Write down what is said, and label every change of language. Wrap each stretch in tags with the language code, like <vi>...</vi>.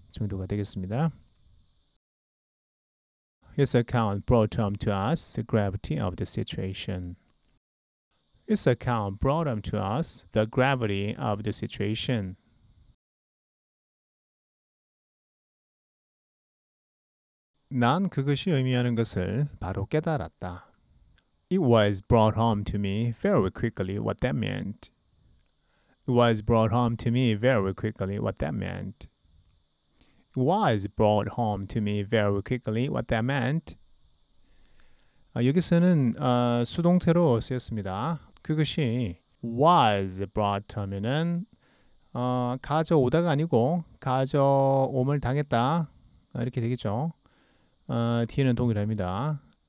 <ko>정도가 되겠습니다.</ko> <en>This account brought home to us the gravity of the situation. This account brought home to us the gravity of the situation.</en> <ko>난 그것이 의미하는 것을 바로 깨달았다.</ko> <en>It was brought home to me very quickly what that meant. It was brought home to me very quickly what that meant. Was brought home to me very quickly what that meant.</en> <ko>여기서는 수동태로 쓰였습니다. 그것이</ko> <en>was brought home</en> <ko>에는 가져오다가 아니고 가져옴을 당했다 이렇게 되겠죠. 뒤에는 동일합니다.</ko>